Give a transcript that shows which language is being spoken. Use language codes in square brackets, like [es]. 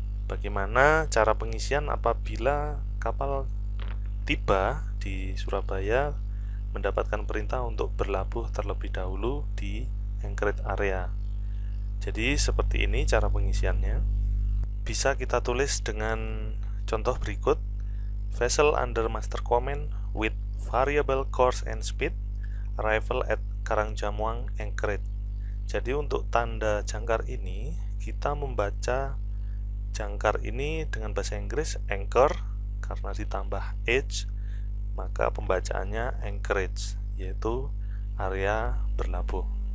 [id] Bagaimana cara pengisian apabila kapal tiba di Surabaya mendapatkan perintah untuk berlabuh terlebih dahulu di anchorage area. Jadi seperti ini cara pengisiannya. Bisa kita tulis dengan contoh berikut. [en] Vessel under master command with variable course and speed arrival at Karang Jamuang anchorage. [id] Jadi untuk tanda jangkar ini kita membaca jangkar ini dengan bahasa Inggris anchor karena ditambah edge, maka pembacaannya anchorage yaitu area berlabuh.